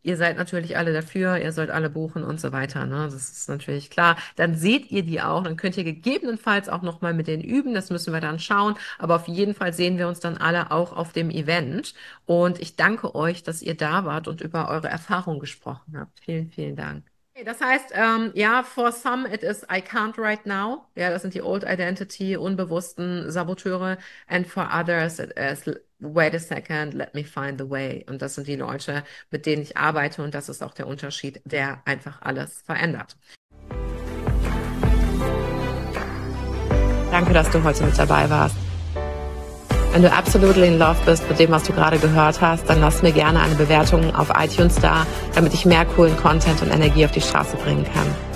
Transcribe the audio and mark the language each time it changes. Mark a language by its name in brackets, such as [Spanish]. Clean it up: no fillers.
[German] Ihr seid natürlich alle dafür. Ihr sollt alle buchen und so weiter. Ne? Das ist natürlich klar. Dann seht ihr die auch. Dann könnt ihr gegebenenfalls auch noch mal mit denen üben. Das müssen wir dann schauen. Aber auf jeden Fall sehen wir uns dann alle auch auf dem Event. Und ich danke euch, dass ihr da wart und über eure Erfahrung gesprochen habt. Vielen, vielen Dank. [English] Okay, [German] das heißt, ja, [English] for some it is I can't right now. [German] Ja, das sind die [English] old identity, [German] unbewussten Saboteure. [English] And for others it is wait a second, let me find the way. [German] Und das sind die Leute, mit denen ich arbeite. Und das ist auch der Unterschied, der einfach alles verändert. Danke, dass du heute mit dabei warst. Wenn du [English] absolutely in love [German] bist mit dem, was du gerade gehört hast, dann lass mir gerne eine Bewertung auf iTunes da, damit ich mehr coolen Content und Energie auf die Straße bringen kann.